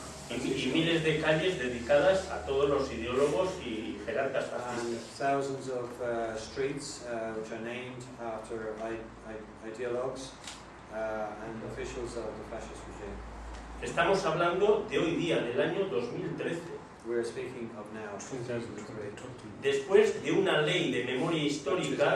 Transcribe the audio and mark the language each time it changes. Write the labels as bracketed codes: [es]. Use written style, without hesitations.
[es] Y miles de calles dedicadas a todos los ideólogos y jerarcas fascistas. [en] Thousands of streets which are named after ideologues and officials of the fascist regime. [es] Estamos hablando de hoy día, del año 2013. [en] We're speaking of now, 2013. [es] Después de una ley de memoria histórica